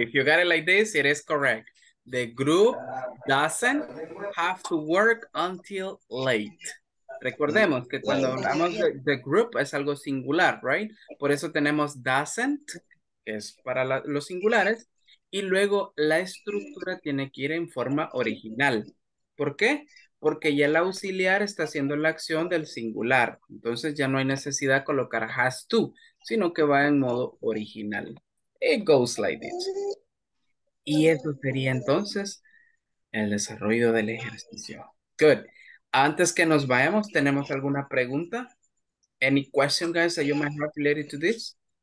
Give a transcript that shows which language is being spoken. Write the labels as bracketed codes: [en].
[en] If you got it like this, it is correct. The group doesn't have to work until late. [es] Recordemos que cuando hablamos de the group es algo singular, right? Por eso tenemos doesn't, que es para la, los singulares, y luego la estructura tiene que ir en forma original. ¿Por qué? Porque ya el auxiliar está haciendo la acción del singular. Entonces ya no hay necesidad de colocar has to, sino que va en modo original. [en] It goes like this. [es] Y eso sería entonces el desarrollo del ejercicio. Good. Antes que nos vayamos, ¿tenemos alguna pregunta? [en] Any question, guys, that you might have related to this?